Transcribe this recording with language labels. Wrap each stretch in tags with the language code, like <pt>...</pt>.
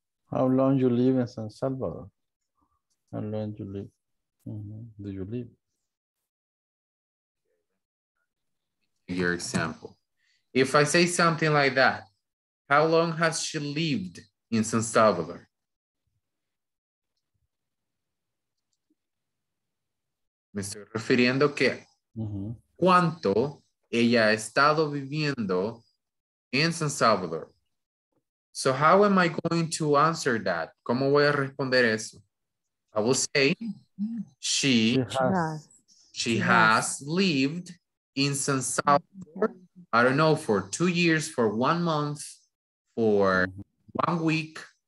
<en>How long you live in San Salvador? How long do you live? Mm-hmm. Do you live? Your example. If I say something like that, how long has she lived in San Salvador?</en> <es>Me estoy refiriendo que cuánto ella ha estado viviendo en San Salvador.</es> <en>So how am I going to answer that?</en> <es>¿Cómo voy a responder eso?</es> <en>I will say she has lived in San Salvador, I don't know, for 2 years, for 1 month, for 1 week,</en>